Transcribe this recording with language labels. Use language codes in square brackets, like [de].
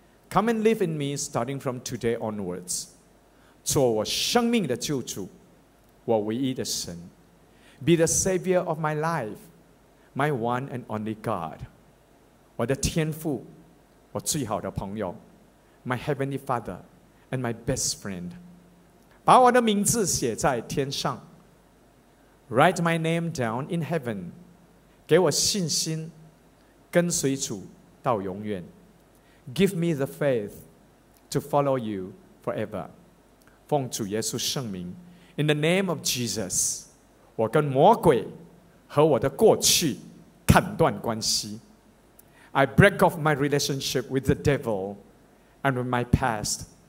[en] Come and live in me starting from today onwards. [zh] 做我生命的救主，我唯一的神。 [en] Be the savior of my life, my one and only God. [zh] 我的天父，我最好的朋友， [en] My heavenly father and my best friend. [zh] 把我的名字写在天上， [en] Write my name down in heaven. [zh] 给我信心，跟随主到永远。 [en] Give me the faith to follow you forever. [zh] 奉主耶稣圣名， [en] In the name of Jesus, [zh] 我跟魔鬼和我的过去砍断关系。 [en] I break off my relationship with the devil and with my past.